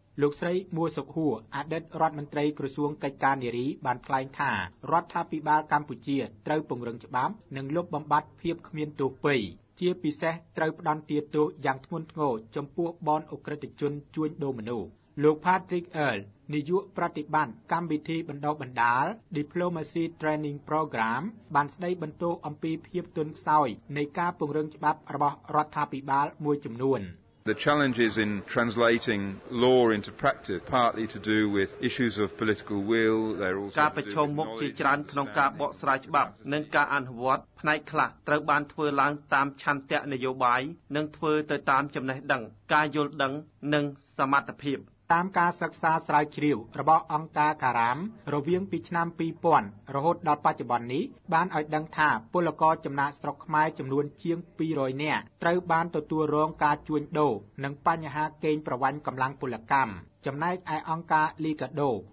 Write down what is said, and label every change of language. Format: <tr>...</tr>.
<km>លោកស្រីមួសុខហួរអតីតរដ្ឋមន្ត្រីក្រសួងកិច្ចការនារីបានថ្លែងថារដ្ឋាភិបាលកម្ពុជាត្រូវពង្រឹងច្បាប់និងលុបបំបាត់ភាពគ្មានទោសពៃរ៍ជាពិសេសត្រូវផ្ដន្ទាទោសយ៉ាងធ្ងន់ធ្ងរចំពោះបណ្ដាអូក្រិដ្ឋជនជួញដូរមនុស្សលោក Patrick Earl នាយកប្រតិបត្តិកម្មវិធីបណ្ដុះបណ្ដាល Diplomacy Training Program បានស្ដីបន្ទោសអំពីភាពទន់ខ្សោយនៃការពង្រឹងច្បាប់របស់រដ្ឋាភិបាលមួយចំនួន</km> <en>The challenges in translating law into practice partly to do with issues of political will they're also</en> <km>ការប្រឈមមុខជាច្រើនក្នុងការបកស្រាយច្បាប់និងការអនុវត្តផ្នែកខ្លះត្រូវបានធ្វើឡើងតាមឆន្ទៈនយោបាយនិងធ្វើទៅតាមចំណេះដឹងការយល់ដឹងនិងសមត្ថភាព តាមការសិក្សាស្រាវជ្រាវរបស់អង្គការការ៉ាមរវាងពីឆ្នាំ2000រហូតដល់បច្ចុប្បន្ននេះបានឲ្យដឹងថាពលករចំណាកស្រុកខ្មែរចំនួនជាង200នាក់ត្រូវបានទទួលរងការជួញដូរនិងបញ្ហាកេងប្រវ័ញ្ចកម្លាំងពលកម្មចំណែកឯអង្គការ Liga do</km>